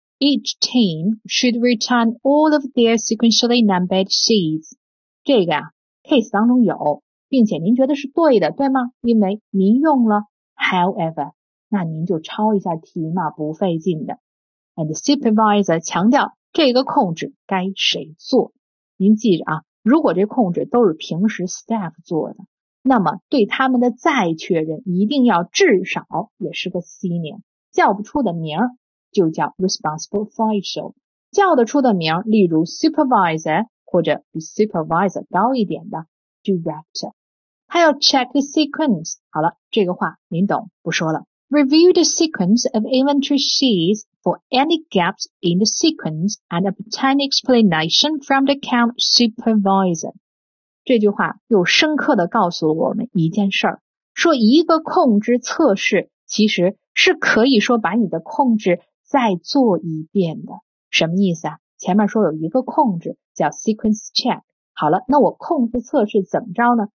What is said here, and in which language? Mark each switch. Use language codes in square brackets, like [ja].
[en] each team should return all of their sequentially numbered sheets. [zh] 这个啊 case 当中有，并且您觉得是对的，对吗？因为您用了 however， 那您就抄一下题嘛，不费劲的。 [en] And the supervisor [zh] 强调这个控制该谁做。您记着啊，如果这控制都是平时 staff 做的，那么对他们的再确认一定要至少也是个 senior， 叫不出的名就叫 responsible official， 叫得出的名例如 supervisor 或者比 supervisor 高一点的 director，他要 [en] check the sequence。 [zh] 好了，这个话您懂，不说了。 [en] Review the sequence of inventory sheets for any gaps in the sequence and obtain explanation from the account supervisor。 [zh] 这句话又深刻地告诉了我们一件事儿，说一个控制测试其实是可以说把你的控制再做一遍的。什么意思啊？前面说有一个控制叫 sequence check， 好了，那我控制测试怎么着呢？